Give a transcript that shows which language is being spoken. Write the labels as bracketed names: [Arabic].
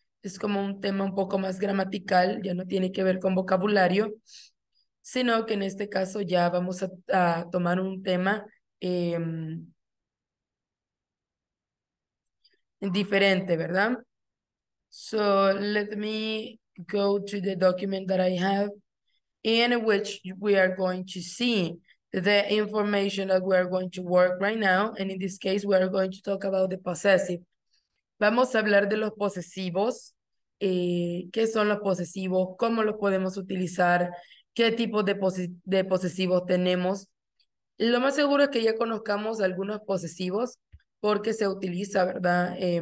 [Spanish] Es como un tema un poco más gramatical, ya no tiene que ver con vocabulario, sino que en este caso ya vamos a tomar un tema diferente, ¿verdad? [English] So let me go to the document that I have, in which we are going to see the information that we are going to work right now, and in this case we are going to talk about the possessive. [Spanish] Vamos a hablar de los posesivos, qué son los posesivos, cómo los podemos utilizar, qué tipo de posesivos tenemos. Lo más seguro es que ya conozcamos algunos posesivos porque se utiliza, ¿verdad?